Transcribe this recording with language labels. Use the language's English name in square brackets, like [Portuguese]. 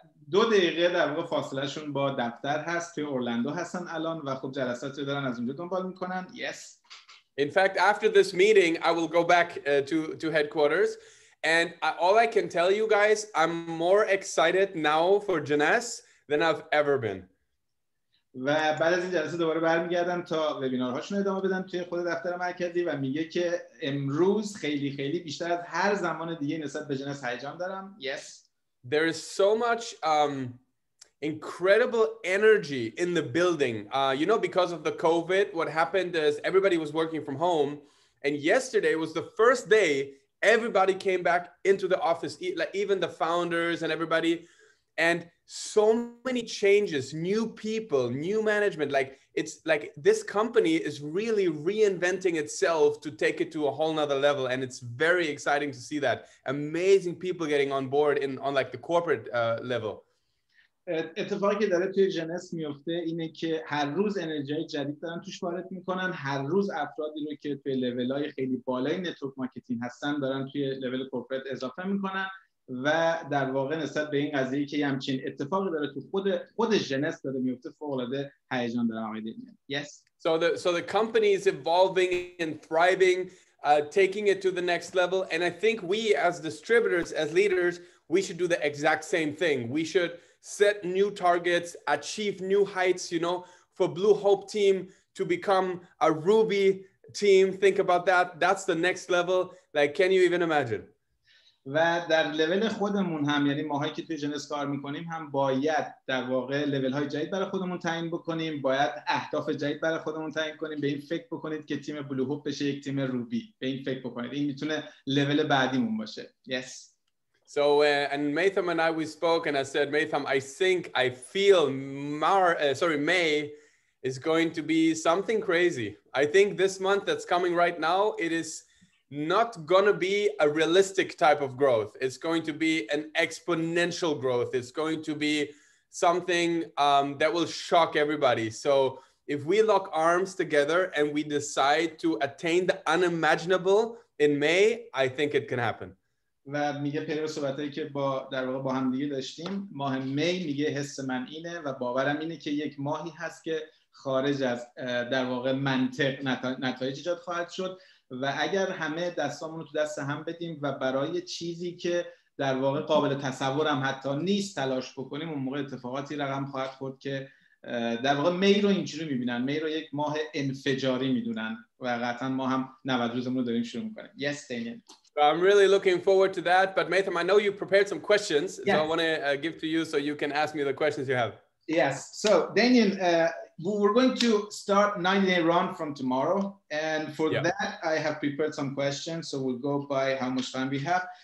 [Persian] دو دقیقه در واقع فاصله شون با دفتر هست توی اورلندو هستن الان و خب جلسات رو دارن از اونجا دنبال میکنن. [English] Yes. In fact, after this meeting, I will go back to headquarters. And all I can tell you guys, I'm more excited now for Jeunesse than I've ever been. [Persian] و بعد از این جلسه دوباره برمیگردم تا وبینارهاشون ادامه بدم توی خود دفتر مرکزی و میگه که امروز خیلی خیلی بیشتر از هر زمان دیگه نسبت به جنس هیجان دارم. [English] Yes. There is so much incredible energy in the building. You know, because of the COVID, what happened is everybody was working from home. And yesterday was the first day everybody came back into the office, even the founders and everybody. And so many changes, new people, new management. Like, it's like this company is really reinventing itself to take it to a whole nother level. And it's very exciting to see that. Amazing people getting on board on like the corporate level. [Persian] اتفاقی که داره توی جنس میفته اینه که هر روز انرژی جدید دارن توش وارد میکنن، هر روز افرادی رو که توی لیول‌های خیلی بالای نتورک مارکتینگ هستن دارن توی لیول کورپرات اضافه میکنن و در واقع نسبت به این قضیه که یه همچین اتفاقی داره تو خود جنس داره میفته فوق‌العاده هیجان دارم. [English] Yes. So the company is evolving and thriving, taking it to the next level, and I think we as distributors, as leaders, we should do the exact same thing. We should set new targets, achieve new heights, you know, for Blue Hope team to become a Ruby team. Think about that. That's the next level. Like, can you even imagine? [Persian] و در لول خودمون هم، یعنی ماهایی که توی جنس کار میکنیم، هم باید در واقع لول های جدید برای خودمون تعیین بکنیم، باید اهداف جدید برای خودمون تعیین کنیم. به این فکر بکنید که تیم بلو هوپ بشه یک تیم روبی. به این فکر بکنید، این میتونه لول بعدیمون باشه. [English] Yes. So and Maytham and I, we spoke and I said, Maytham, I think I feel May is going to be something crazy. I think this month that's coming right now, it is not gonna be a realistic type of growth. It's going to be an exponential growth. It's going to be something that will shock everybody. So if we lock arms together and we decide to attain the unimaginable in May, I think it can happen. [Persian] و میگه پیرو صحبتایی که با در واقع با هم دیگه داشتیم ماه می، میگه حس من اینه و باورم اینه که یک ماهی هست که خارج از در واقع منطق نتایج ایجاد خواهد شد و اگر همه دستامون رو تو دست هم بدیم و برای چیزی که در واقع قابل تصورم حتی نیست تلاش بکنیم، اون موقع اتفاقاتی رقم خواهد خورد که در واقع می رو اینجوری میبینن، می رو یک ماه انفجاری میدونن و قطعا ما هم 90 روزمون رو داریم شروع میکنیم. [English] Yes, Damien. I'm really looking forward to that. But Maytham, I know you prepared some questions, yes. So I want to give to you so you can ask me the questions you have. Yes. So, Damien, we're going to start 90-day run from tomorrow. And for that, I have prepared some questions. So we'll go by how much time we have.